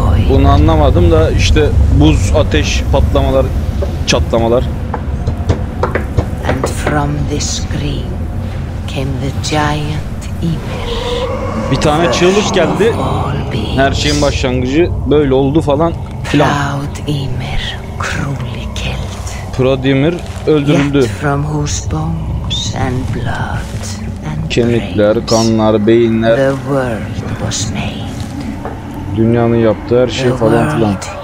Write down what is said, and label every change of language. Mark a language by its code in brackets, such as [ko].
[tr] Bunu anlamadım da işte buz, ateş, patlamalar, çatlamalar. [en] And from this green came the giant Ymir. [tr] Bir tane çığlık geldi. Her şeyin başlangıcı böyle oldu falan filan. [en] Proud Ymir cruelly killed. [tr] Proud Ymir öldürüldü. [en] Yet from whose bones and blood and [tr] kemikler, kanlar, beyinler. [en] The world was made. [tr] Dünyanın yaptığı her şey falan filan.